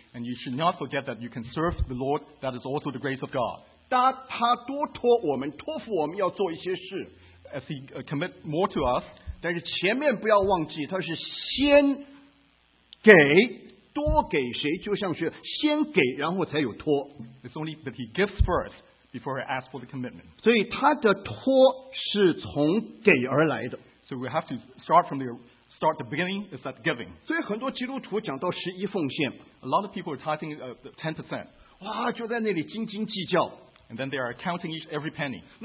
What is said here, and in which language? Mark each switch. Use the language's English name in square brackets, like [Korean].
[English] and you should not forget that you can serve the Lord, that is also the grace of God. [Chinese] 他多托我们,托付我们要做一些事, [English] as he commit more to us, [Chinese] 但是前面不要忘记,他是先给, 多给谁就像是先给, 然后才有托。 [English] It's only that he gives first before I ask for the commitment. [Chinese] 所以他的托是从给而来的。 [English] So we have to start the beginning is that giving. [Chinese] 所以很多基督徒讲到十一奉献, [English] a lot of people are tithing 10%. [Chinese] 哇,就在那里斤斤计较。 [English] And then they are counting every penny.